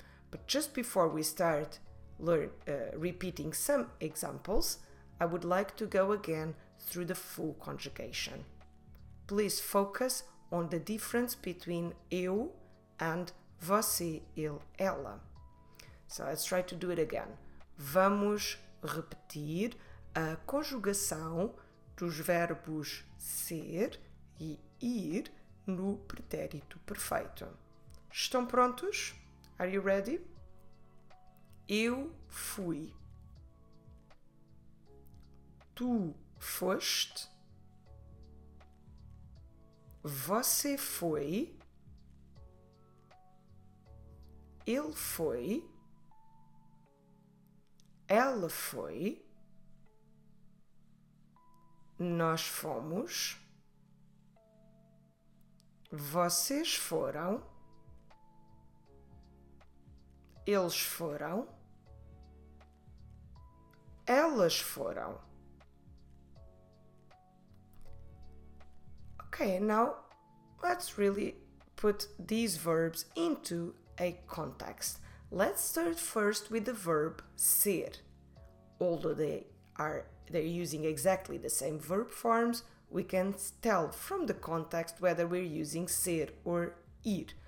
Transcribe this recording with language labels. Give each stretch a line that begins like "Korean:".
English: But just before we start repeating some examples, I would like to go again through the full conjugation. Please focus on the difference between eu and você, ele, ela. So let's try to do it again.
Portuguese: Vamos repetir a conjugação dos verbos ser e ir no pretérito perfeito. Estão prontos?
English: Are you ready?
Portuguese: Eu fui. Tu foste. Você foi. Ele foi. Ela foi, nós fomos, vocês foram, eles foram, elas foram.
English: Okay, now let's really put these verbs into a context. Let's start first with the verb ser. Although they're using exactly the same verb forms, we can tell from the context whether we're using ser or ir.